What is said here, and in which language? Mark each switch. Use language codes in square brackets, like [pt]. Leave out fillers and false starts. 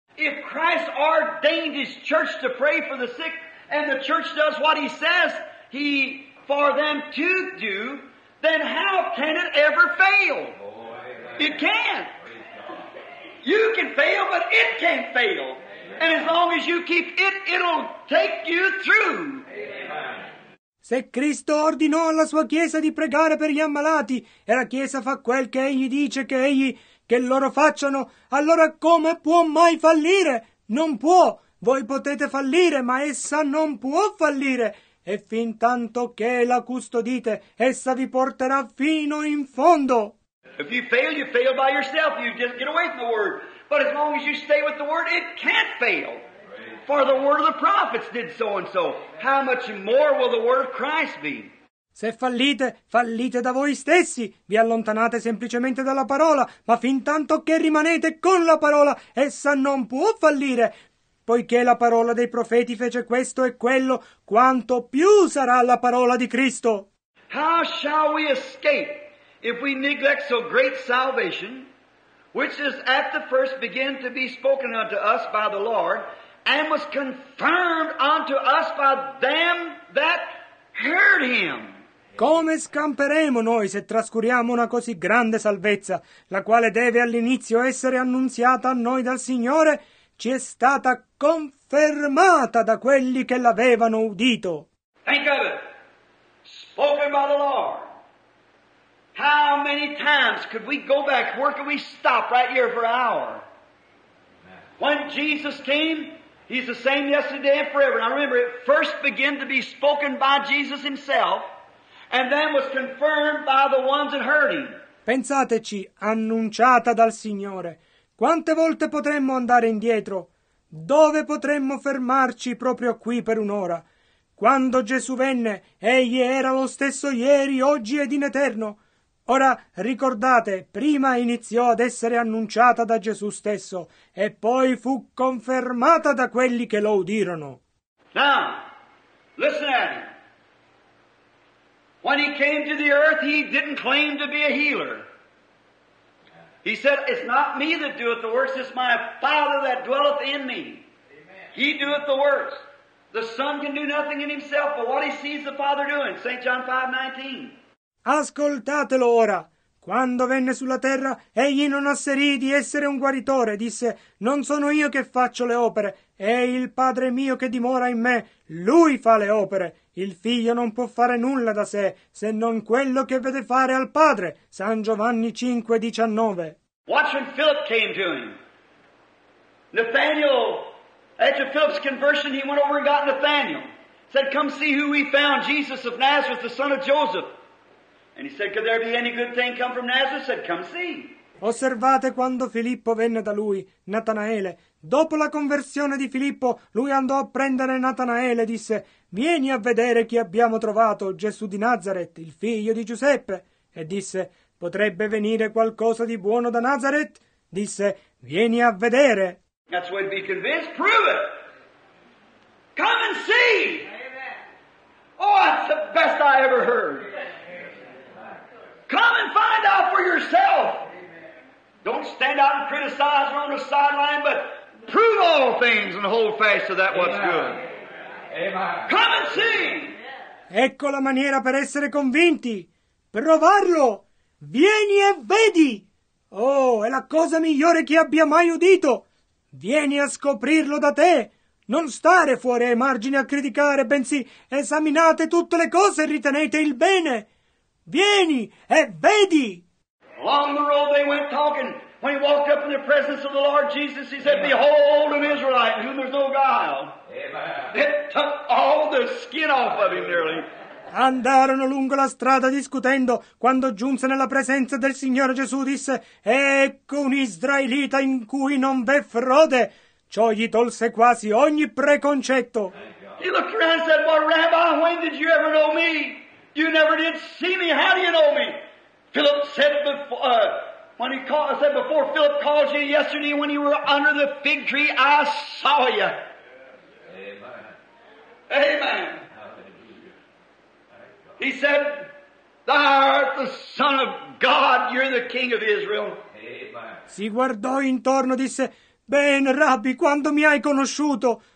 [en] If Christ ordained his church to pray for the sick, and the church does what he says he for them to do, then how can it ever fail? Oh, it can't. You can fail, but it can't fail. Amen. And as long as you keep it, it'll take you through. Amen. [it] Se Cristo ordinò alla sua Chiesa di pregare per gli ammalati e la Chiesa fa quel che egli dice che egli che loro facciano, allora come può mai fallire? Non può! Voi potete fallire, ma essa non può fallire! E fin tanto che la custodite, essa vi porterà fino in fondo! [en] If you fail, you fail by yourself. You just get away from the Word. But as long as you stay with the Word, it can't fail. For the Word of the prophets did so and so. How much more will the Word of Christ be? [it] Se fallite, fallite da voi stessi. Vi allontanate semplicemente dalla parola. Ma fin tanto che rimanete con la parola, essa non può fallire. Poiché la parola dei profeti fece questo e quello, quanto più sarà la parola di Cristo? [en] How shall we escape if we neglect so great salvation, which is at the first begin to be spoken unto us by the Lord, and was confirmed unto us by them that heard him? [it] Come scamperemo noi se trascuriamo una così grande salvezza, la quale deve all'inizio essere annunziata a noi dal Signore, ci è stata confermata da quelli che l'avevano udito. [en] Think of it. Spoken by the Lord. How many times could we go back? Where could we stop right here for an hour? When Jesus came, he's the same yesterday and forever. Now remember, it first began to be spoken by Jesus himself and then was confirmed by the ones that heard him. [it] Pensateci, annunciata dal Signore. Quante volte potremmo andare indietro? Dove potremmo fermarci proprio qui per un'ora? Quando Gesù venne, egli era lo stesso ieri, oggi ed in eterno. Ora, ricordate, prima iniziò ad essere annunciata da Gesù stesso e poi fu confermata da quelli che lo udirono. [en] Now, listen at him. When he came to the earth, he didn't claim to be a healer. He said, it's not me that doeth the works, it's my Father that dwelleth in me. Amen. He doeth the works. The Son can do nothing in himself, but what he sees the Father doing, St. John 5:19. [it] Ascoltatelo ora. Quando venne sulla terra, egli non asserì di essere un guaritore. Disse, non sono io che faccio le opere, è il Padre mio che dimora in me. Lui fa le opere. Il Figlio non può fare nulla da sé, se non quello che vede fare al Padre. San Giovanni 5:19. [en] Watch when Philip came to him. Nathanael, after Philip's conversion, he went over and got Nathanael. Said, come see who we found, Jesus of Nazareth, the son of Joseph. And he said, could there be any good thing come from Nazareth? Said, come see. [it] Osservate quando Filippo venne da lui, Natanaele. Dopo la conversione di Filippo, lui andò a prendere Natanaele e disse, vieni a vedere chi abbiamo trovato, Gesù di Nazareth, il figlio di Giuseppe. E disse, potrebbe venire qualcosa di buono da Nazareth? Disse, vieni a vedere. [en] That's why be convinced, prove it. Come and see. Amen. Oh, that's the best I ever heard. Come and find out for yourself. Amen. Don't stand out and criticize or on the sideline, but prove all things and hold fast to that what's Amen. Good. Amen. Come and see. [it] Ecco la maniera per essere convinti. Provarlo. Vieni e vedi. Oh, è la cosa migliore che abbia mai udito. Vieni a scoprirlo da te. Non stare fuori ai margini a criticare, bensì esaminate tutte le cose e ritenete il bene. Vieni e vedi! [en] Along the road they went talking. When he walked up in the presence of the Lord Jesus, he said, Amen. Behold an Israelite in whom there's no guile. Amen. It took all the skin off of him nearly. [it] Andarono lungo la strada discutendo. Quando giunse nella presenza del Signore Gesù, disse, ecco un Israelita in cui non v'è frode. Ciò gli tolse quasi ogni preconcetto. [en] He looked around and said, well, Rabbi, when did you ever know me? You never did see me. How do you know me? Philip said before, when he called, I said before Philip called you yesterday when you were under the fig tree, I saw you. Amen. Amen. He said, thou art the Son of God. You're the King of Israel. Amen. [it] Si guardò intorno e disse, ben, Rabbi, quando mi hai conosciuto?